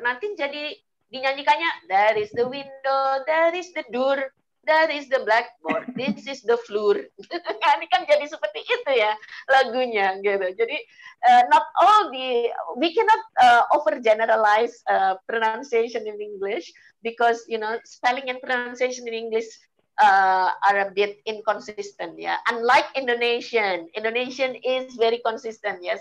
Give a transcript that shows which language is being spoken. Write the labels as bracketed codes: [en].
[en] Nanti jadi dinyanyikannya there is the window, there is the door, there is the blackboard, this is the floor. [id] Ini kan jadi seperti itu ya lagunya gitu. [en] Jadi not all the we cannot overgeneralize pronunciation in English because you know spelling and pronunciation in English are a bit inconsistent, yeah. Unlike Indonesian, Indonesian is very consistent, yeah.